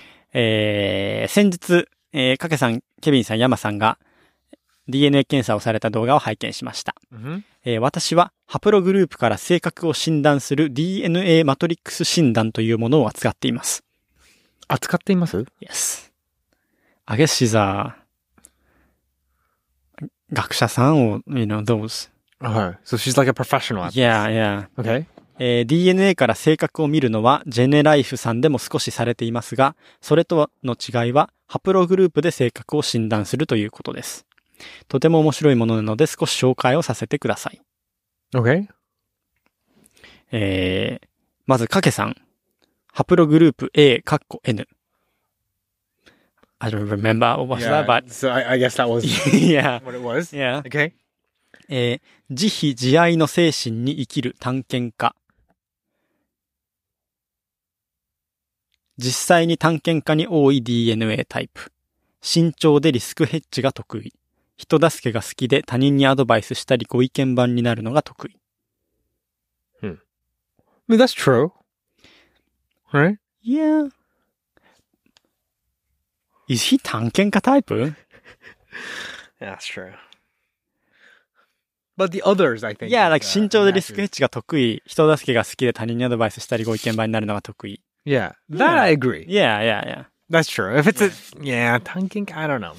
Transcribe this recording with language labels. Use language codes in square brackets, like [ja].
[ja] 先日、かけさん、ケビンさん、ヤマさんが DNA 検査をされた動画を拝見しました。私はハプログループから性格を診断する DNA マトリックス診断というものを扱っています。扱っています [en] ?Yes. I guess she's a [ja] 学者さんを、 [en] you know, those. Okay. So she's like a professional at this. Yeah, yeah. Okay. [ja] DNA から性格を見るのはジェネライフさんでも少しされていますが、それとの違いはハプログループで性格を診断するということです。とても面白いものなので少し紹介をさせてください。 [en] Okay. [ja] まず、かけさん。ハプログループ A、カッコ N。 [en] I don't remember what was that, but... So I guess that was what it was. Yeah. Okay. [ja] 慈悲慈愛の精神に生きる探検家。実際に探検家に多い DNA タイプ。慎重でリスクヘッジが得意。人助けが好きで他人にアドバイスしたりご意見番になるのが得意。 [en] Hmm. I mean, that's true. Right? Yeah. Is he 探検家タイプ? Yeah, that's true. But the others, I think. Yeah, like, [ja] 慎重でリスクヘッジが得意。人助けが好きで他人にアドバイスしたりご意見場になるのが得意。 [en] Yeah, that yeah. I agree. Yeah, yeah, yeah. That's true. If it's a, yeah, 探検家, I don't know.